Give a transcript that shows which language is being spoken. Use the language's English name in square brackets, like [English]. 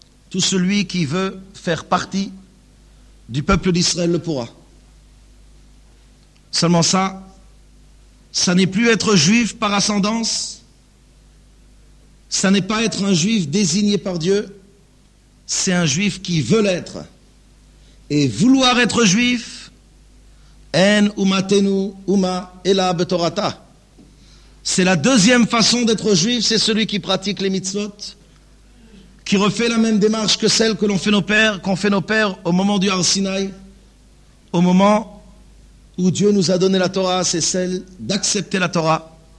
[French] Tout celui qui veut faire partie du peuple d'Israël le pourra. Seulement ça, ça n'est plus être juif par ascendance. Ça n'est pas être un juif désigné par Dieu, c'est un juif qui veut l'être. Et vouloir être juif, [Hebrew] en umatenu uma ela betorata. [French] C'est la deuxième façon d'être juif, c'est celui qui pratique les mitzvot, qui refait la même démarche que celle que l'on fait nos pères, qu'on fait nos pères au moment du Har Sinaï, au moment où Dieu nous a donné la Torah, c'est celle d'accepter la Torah.